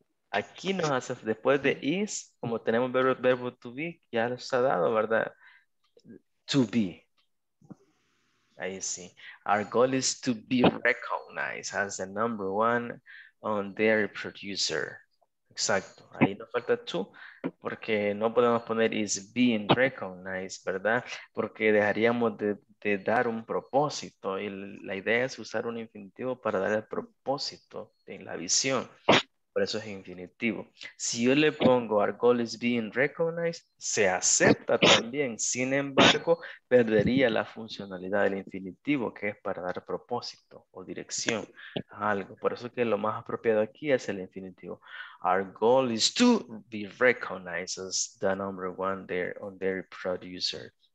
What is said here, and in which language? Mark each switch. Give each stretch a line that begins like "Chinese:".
Spanish: Aquí nos hace, después de is, como tenemos verbo to be, ya nos ha dado, ¿verdad?
English: To be.
Spanish: Ahí sí.
English: Our goal is to be recognized as the number one on their producer.
Spanish: Exacto, ahí nos falta to, porque no podemos poner
English: is being recognized,
Spanish: ¿verdad? Porque dejaríamos de dar un propósito, y la idea es usar un infinitivo para dar el propósito en la visión, por eso es infinitivo. Si yo le pongo
English: our goal is being recognized,
Spanish: se acepta también, sin embargo, perdería la funcionalidad del infinitivo, que es para dar propósito o dirección a algo. Por eso que lo más apropiado aquí es el infinitivo.
English: Our goal is to be recognized as the number one there on their producer.